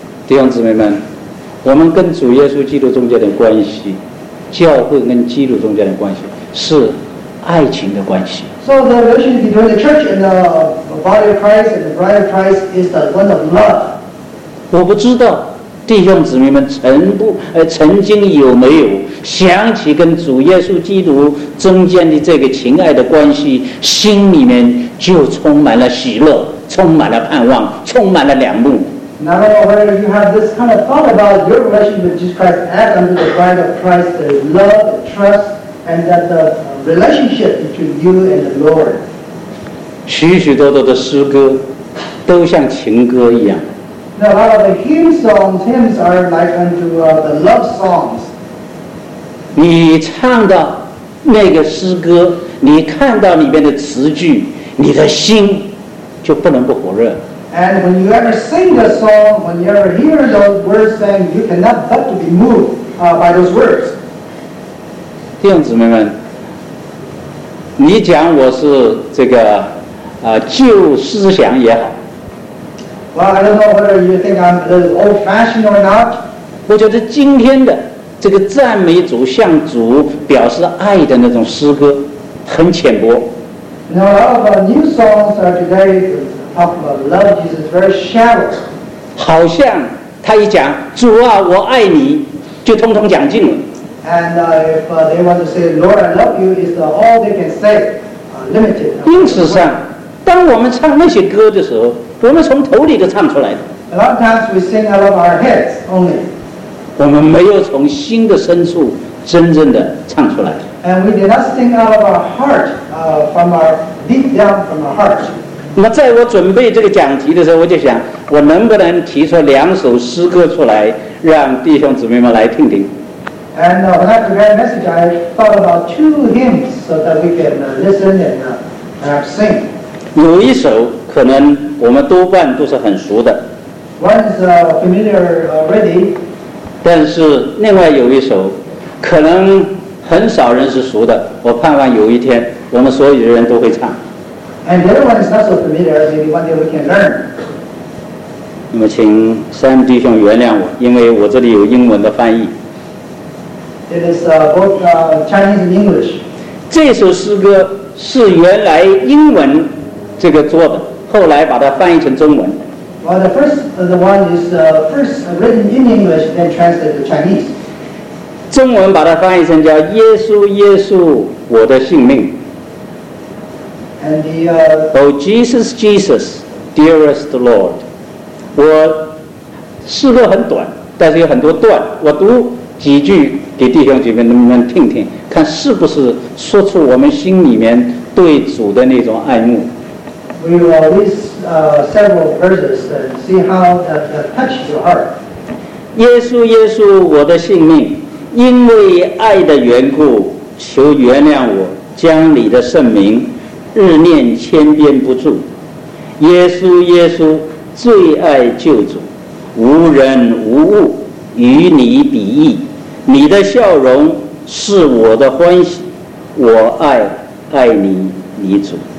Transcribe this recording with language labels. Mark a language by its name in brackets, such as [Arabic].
[Chinese] 弟兄姊妹们，我们跟主耶稣基督中间的关系，教会跟基督中间的关系是爱情的关系。 [English] So the relation between the church and the body of Christ and the bride of Christ is the one of love. [Chinese] 我不知道弟兄姊妹们曾经有没有想起跟主耶稣基督中间的这个情爱的关系，心里面就充满了喜乐，充满了盼望，充满了仰慕。 [English] Now, whether you have this kind of thought about your relationship with Jesus Christ as under the bride of Christ, the love, the trust, and that the relationship between you and the Lord. [Chinese] 许许多多的诗歌都像情歌一样。 [English] Now, a lot of the hymns are like unto the love songs. [Chinese] 你唱到那个诗歌，你看到里面的词句，你的心就不能不火热。 [English] And when you ever sing the song, when you ever hear those words, then you cannot but to be moved by those words. [Chinese] 弟兄姊妹们，你讲我是这个旧思想也好。 [English] Well, I don't know whether you think I'm a little old-fashioned or not. [Chinese] 我觉得今天的这个赞美主向主表示爱的那种诗歌很浅薄。 [English] Now, a lot of new songs are today. Love Jesus very shallow. [Chinese] 好像他一讲主啊我爱你就通通讲尽了。 [English] And if they want to say Lord I love you is all they can say limited. [Chinese] 因此上当我们唱那些歌的时候，我们从头里就唱出来的。 [English] A lot of times we sing out of our heads only. [Chinese] 我们没有从心的深处真正的唱出来的。 [English] And we did not sing out of our heart from our deep down from our heart. [Chinese] 那在我准备这个讲题的时候，我就想我能不能提出两首诗歌出来让弟兄姊妹们来听听。 [English] And when I prepared a message I thought about two hymns so that we can listen and sing. [Chinese] 有一首可能我们多半都是很熟的。 [English] One is familiar already. [Chinese] 但是另外有一首可能很少人是熟的，我盼望有一天我们所有的人都会唱。 [English] And the other one is not so familiar, maybe one day we can learn. [Chinese] 那么请三弟兄原谅我，因为我这里有英文的翻译。 [English] It is both Chinese and English. [Chinese] 这首诗歌是原来英文这个做的，后来把它翻译成中文。 [English] Well, the first the one is first written in English, then translated to Chinese. [Chinese] 中文把它翻译成叫耶稣耶稣我的性命。 [English] And the, Oh, Jesus, Jesus, dearest Lord. [Chinese] 我诗歌很短，但是有很多段，我读几句给弟兄姐妹们听听，看是不是说出我们心里面对主的那种爱慕。 [English] We will read several verses and see how that touches your heart. [Chinese] 耶稣，耶稣，我的性命，因为爱的缘故，求原谅我，将你的圣名日念千遍不住。耶稣耶稣最爱救主，无人无物与你比翼，你的笑容是我的欢喜，我爱爱你你主。